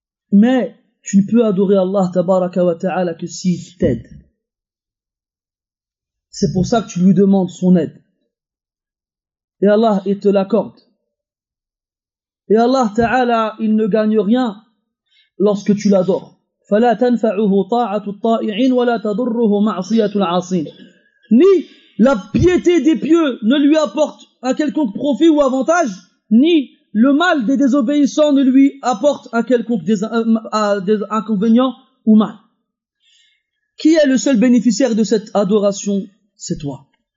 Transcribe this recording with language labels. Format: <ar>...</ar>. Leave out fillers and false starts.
<fr>Mais tu ne peux adorer Allah</fr> <ar>tabaraka wa ta'ala</ar> <fr>que s'il t'aide. C'est pour ça que tu lui demandes son aide. Et Allah, il te l'accorde. Et Allah ta'ala, il ne gagne rien lorsque tu l'adores.</fr> <ar>فلا تنفعه طاعة الطائعين ولا تضره معصية العاصين.</ar> <fr>Ni la piété des pieux ne lui apporte un quelconque profit ou avantage, ni le mal des désobéissants ne lui apporte un quelconque inconvénient ou mal. Qui est le seul bénéficiaire de cette adoration? C'est toi.</fr>